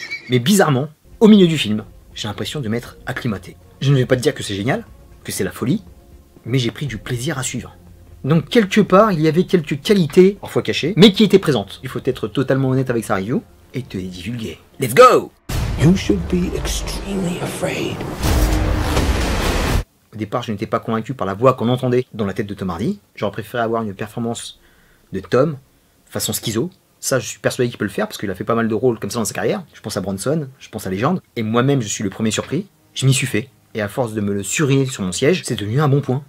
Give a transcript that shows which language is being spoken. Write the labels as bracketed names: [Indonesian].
[French] Mais bizarrement, au milieu du film, j'ai l'impression de m'être acclimaté. Je ne vais pas te dire que c'est génial, que c'est la folie, mais j'ai pris du plaisir à suivre. Donc quelque part, il y avait quelques qualités, parfois cachées, mais qui étaient présentes. Il faut être totalement honnête avec sa review et te les divulguer. [English] Let's go! You should be extremely afraid. [French] Au départ, je n'étais pas convaincu par la voix qu'on entendait dans la tête de Tom Hardy. J'aurais préféré avoir une performance de Tom façon schizo. Ça, je suis persuadé qu'il peut le faire parce qu'il a fait pas mal de rôles comme ça dans sa carrière. Je pense à Bronson, je pense à Légende. Et moi-même, je suis le premier surpris. Je m'y suis fait. Et à force de me le suriner sur mon siège, c'est devenu un bon point.